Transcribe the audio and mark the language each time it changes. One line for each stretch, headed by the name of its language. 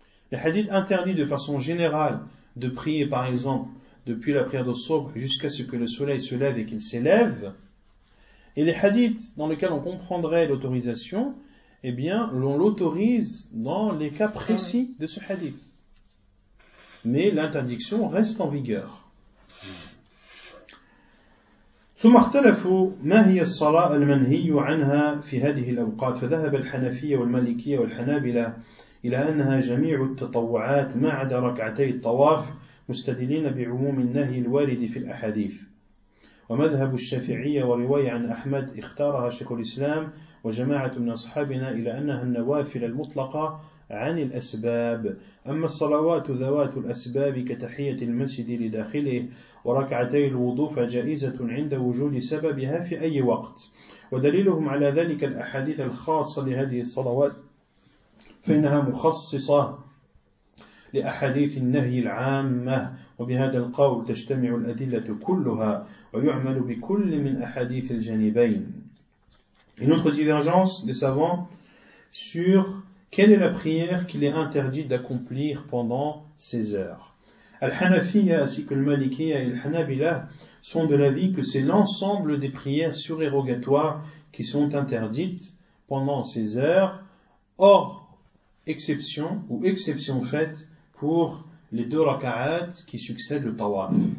French: Le hadith interdit de façon générale de prier, par exemple, depuis la prière de Sobh jusqu'à ce que le soleil se lève et qu'il s'élève. Et les hadiths dans lesquels on comprendrait l'autorisation, eh bien, l'on l'autorise dans les cas précis de ce hadith. Mais l'interdiction reste en vigueur.
Arabic: ثم اختلفوا ما هي الصلاة المنهي عنها في هذه الأوقات فذهب الحنفية والمالكية والحنابلة إلى أنها جميع التطوعات ما عدا ركعتي الطواف مستدلين بعموم النهي الوارد في الأحاديث ومذهب الشافعية ورواية عن أحمد اختارها شيخ الإسلام وجماعة من أصحابنا إلى أنها النوافل المطلقة عن الأسباب أما الصلوات ذوات الأسباب كتحية المسجد لداخله وركعتي الوضوء فجائزة عند وجود سببها في أي وقت ودليلهم على ذلك الأحاديث الخاصة لهذه الصلوات فإنها مخصصة لأحاديث النهي العامة وبهذا القول تجتمع الأدلة كلها ويعمل بكل من أحاديث الجانبين.
French: Une autre divergence des savants sur quelle est la prière qu'il est interdit d'accomplir pendant ces heures. Al-Hanafiyya ainsi que le Malikiyya et Al-Hanabilah sont de l'avis que c'est l'ensemble des prières surérogatoires qui sont interdites pendant ces heures, hors exception ou exception faite pour les deux raka'at qui succèdent le tawaf.